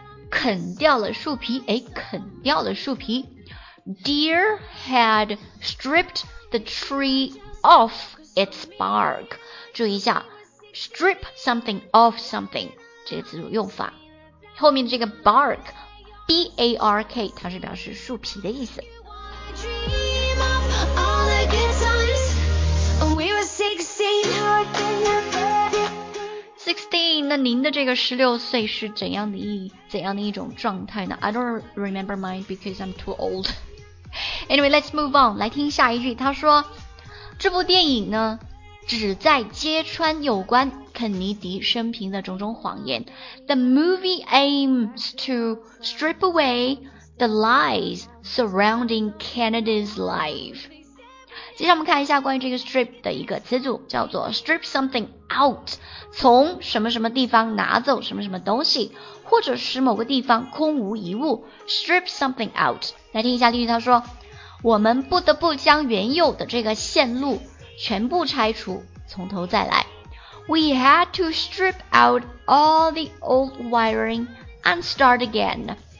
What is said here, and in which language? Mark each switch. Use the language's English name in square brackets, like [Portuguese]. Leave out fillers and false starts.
[Chinese] 啃掉了树皮，哎，啃掉了树皮。 [English] Deer had stripped the tree off its bark. [Chinese] 注意一下 [English] strip something off something [Chinese] 这个词组用法。后面这个 bark, B-A-R-K, 它是表示树皮的意思。 [English] 16, [Chinese] 那您的这个16岁是怎样的一种状态呢? [English] I don't remember mine because I'm too old. Anyway, let's move on. [Chinese] 来听下一句。他说，这部电影呢，旨在揭穿有关肯尼迪生平的种种谎言。 [English] The movie aims to strip away the lies surrounding Kennedy's life. [Chinese] 接下来我们看一下关于这个 strip 的一个词组，叫做 [English] strip something out， [Chinese] 从什么什么地方拿走什么什么东西，或者使某个地方空无一物， strip something out。来听一下例句，他说，我们不得不将原有的这个线路全部拆除，从头再来。 [English] We had to strip out all the old wiring and start again。